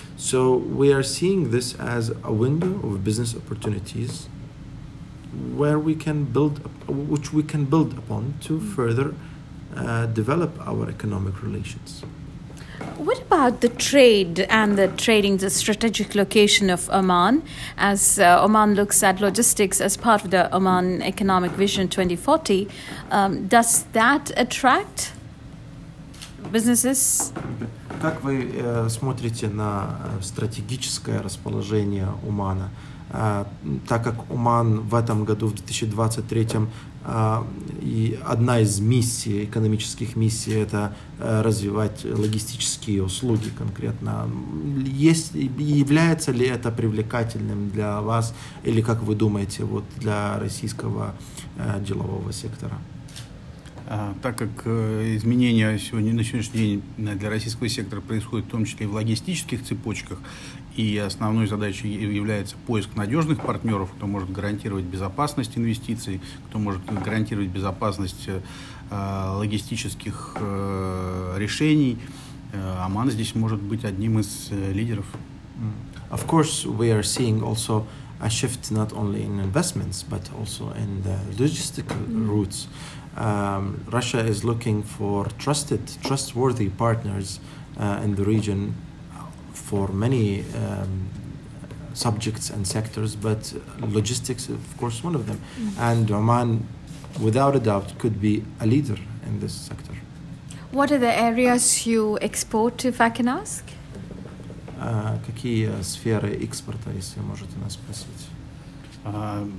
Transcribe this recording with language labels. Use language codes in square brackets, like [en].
[en] So we are seeing this as a window of business opportunities where we can build, which we can build upon to further develop our economic relations. What about the trade and the trading, the strategic location of Oman, as Oman looks at logistics as part of the Oman Economic Vision 2040? Does that attract businesses? [ru] Как вы смотрите на стратегическое расположение Омана? Так как Оман в этом году, в 2023-м, и одна из миссий, экономических миссий, это развивать логистические услуги конкретно. Является ли это привлекательным для вас, или как вы думаете, вот для российского делового сектора? Так как изменения сегодня, на сегодняшний день для российского сектора происходят в том числе и в логистических цепочках, и основной задачей является поиск надежных партнеров, кто может гарантировать безопасность инвестиций, кто может гарантировать безопасность логистических решений, Оман здесь может быть одним из лидеров. [en] Of course, we are seeing also a shift not only in investments, but also in the logistical routes. Russia is looking for trustworthy partners in the region for many subjects and sectors, but logistics, of course, one of them. And Oman, without a doubt, could be a leader in this sector. What are the areas you export, if I can ask? [ru] Какие сферы экспорта, если можете нас спросить?